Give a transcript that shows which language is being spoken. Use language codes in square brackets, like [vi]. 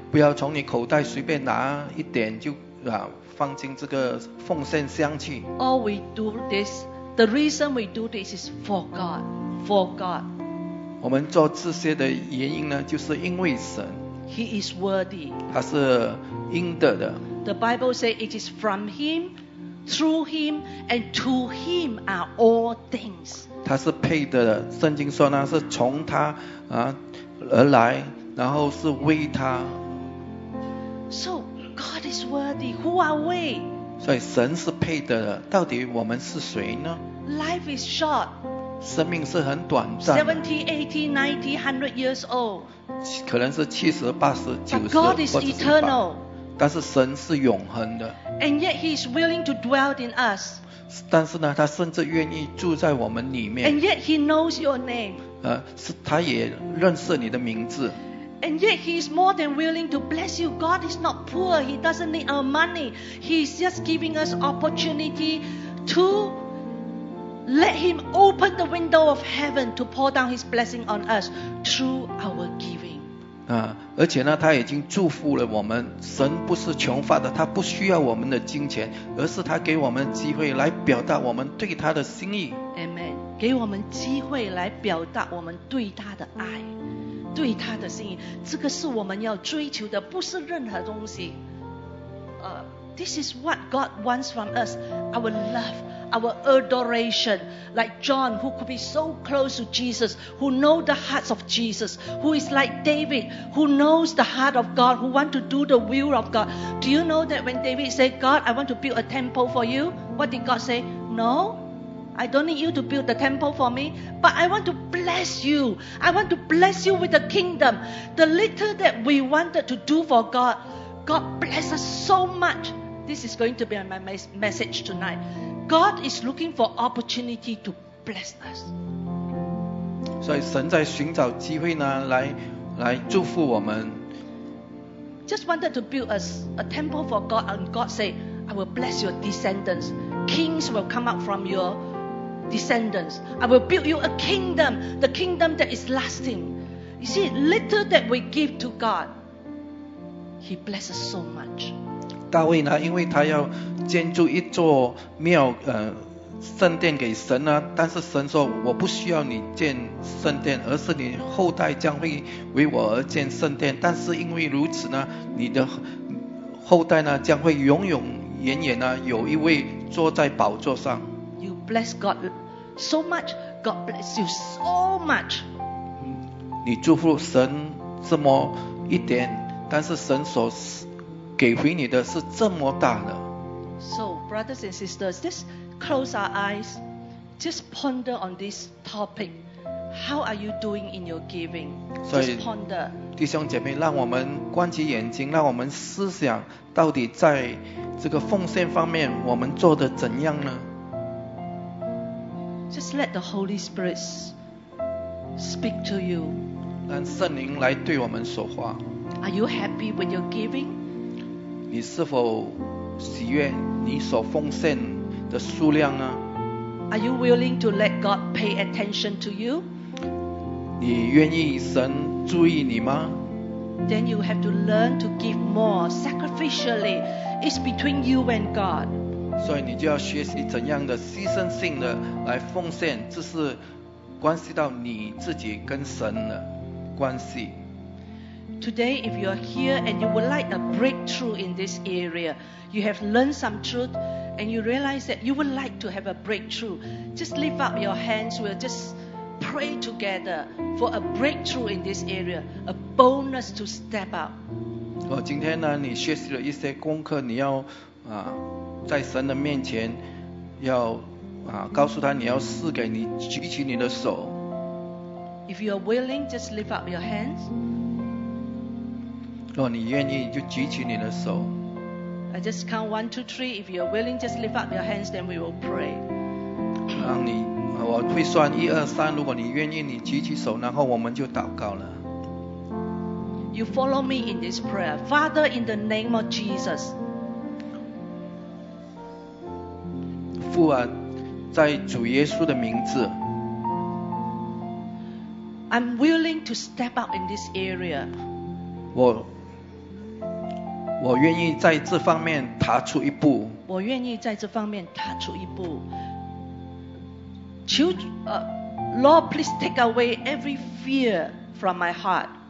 [zh] 不要从你口袋随便拿一点就放进这个奉献箱去。 [en] All we do this, the reason we do this is for God, for God. [zh] 我们做这些的原因呢，就是因为神。 [en] He is worthy. [zh] 他是应得的。 [en] The Bible says it is from him, through him, and to him are all things. [zh] 他是配的，圣经说呢，是从他啊而来，然后是为他。 [en] So God is worthy. Who are we? [zh] 所以神是配的，到底我们是谁呢？ [en] Life is short. [zh] 生命是很短暂。 [en] 70, 80, 90, 100 years old. [zh] 可能是70, 80, 90, [en] But God is eternal. [zh] 但是神是永恒的。 [en] And yet he is willing to dwell in us. [zh] 但是呢，他甚至愿意住在我们里面。 [en] And yet he knows your name. [zh] 是他也认识你的名字。 [en] And yet he is more than willing to bless you. God is not poor. He doesn't need our money. He is just giving us opportunity to let him open the window of heaven to pour down his blessing on us through our giving. [zh] 而且呢，他已经祝福了我们。神不是穷乏的，他不需要我们的金钱，而是他给我们机会来表达我们对他的心意。 [en] Amen. [zh] 给我们机会来表达我们对他的爱，对他的心意，这个是我们要追求的，不是任何东西。 [en] This is what God wants from us, our love, our adoration. Like John, who could be so close to Jesus, who know the hearts of Jesus, who is like David, who knows the heart of God, who want to do the will of God. Do you know that when David said, God, I want to build a temple for you, what did God say? No. I don't need you to build the temple for me, but I want to bless you. I want to bless you with the kingdom. The little that we wanted to do for God, God bless us so much. This is going to be my message tonight. God is looking for opportunity to bless us. [zh] 所以神在寻找机会呢，来祝福我们。 [en] Just wanted to build a temple for God, and God said, I will bless your descendants. Kings will come up from your descendants. I will build you a kingdom, the kingdom that is lasting. You see, little that we give to God, He blesses so much. [zh] 大卫呢，因为他要建筑一座庙，圣殿给神呢，但是神说，我不需要你建圣殿，而是你后代将会为我而建圣殿。但是因为如此呢，你的后代呢，将会永永远远呢，有一位坐在宝座上。 [en] Bless God so much. God bless you so much. [zh] 你祝福神这么一点，但是神所给回你的是这么大的。 [en] So, brothers and sisters, just close our eyes. Just ponder on this topic. How are you doing in your giving? Just ponder. [zh] 弟兄姐妹，让我们关起眼睛，让我们思想到底在这个奉献方面，我们做得怎样呢？ [en] Just let the Holy Spirit speak to you. [zh] 让圣灵来对我们说话。 [en] Are you happy with your giving? [zh] 你是否喜悦你所奉献的数量呢？ [en] Are you willing to let God pay attention to you? [zh] 你愿意神注意你吗？ [en] Then you have to learn to give more sacrificially. It's between you and God. [zh] 所以你就要学习怎样的牺牲性的来奉献，这是关系到你自己跟神的关系。 [en] Today, if you are here and you would like a breakthrough in this area, you have learned some truth and you realize that you would like to have a breakthrough, just lift up your hands. We'll just pray together for a breakthrough in this area, a boldness to step up. [zh] 今天呢，你学习了一些功课，你要在神的面前要告诉他你要赐给你，举起你的手。 [en] If you are willing, just lift up your hands. [zh] 若你愿意就举起你的手。 [en] I just count 1, 2, 3. If you are willing, just lift up your hands, then we will pray. [zh] 让你我会算1, 2, 3, 如果你愿意你举起手，然后我们就祷告了。 [en] You follow me in this prayer. Father, in the name of Jesus, [zh] 父啊，在主耶稣的名字。 [en] I'm willing to step up in this area. [zh] 我愿意在这方面踏出一步。我愿意在这方面踏出一步。求 [en] Lord, please take away every fear from my heart.